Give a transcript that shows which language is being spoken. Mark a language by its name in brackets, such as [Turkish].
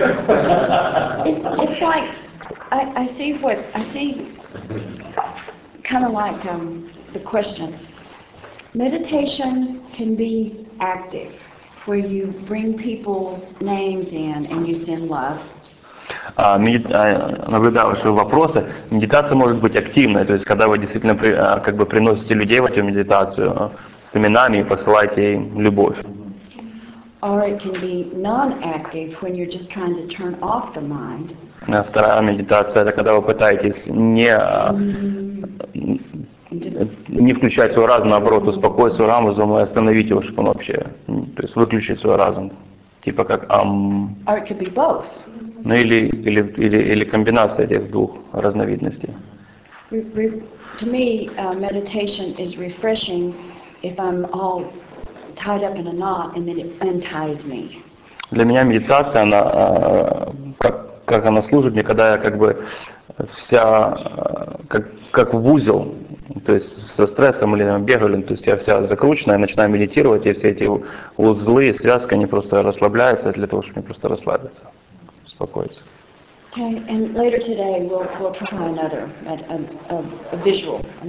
[English] It's like I see kind of like the question. Meditation can be active, where you bring people's names in and you send love. [Russian] Наблюдал, что вопросы. Медитация может быть активной, то есть когда вы действительно как бы приносите людей в эту медитацию с именами и посылаете им любовь. [English] Or it can be non-active when you're just trying to turn off the mind. [Russian] Вторая медитация – это когда вы пытаетесь не включать свой разум, наоборот, успокоить свой разум и остановить его, чтобы он вообще, то есть выключить свой разум, типа как [English] Or it could be both. [Russian] Ну или комбинация этих двух разновидностей. [English] To me, meditation is refreshing if I'm all tied up in a knot and then it unties me. [Russian] Для меня медитация, она как она служит мне, когда я как бы вся как в узел, то есть со стрессом или бегали, то есть я вся закручена, я начинаю медитировать, и все эти узлы, связки, они просто расслабляются для того, чтобы мне просто расслабиться, успокоиться. [English] Okay, and later today we'll put on another visual.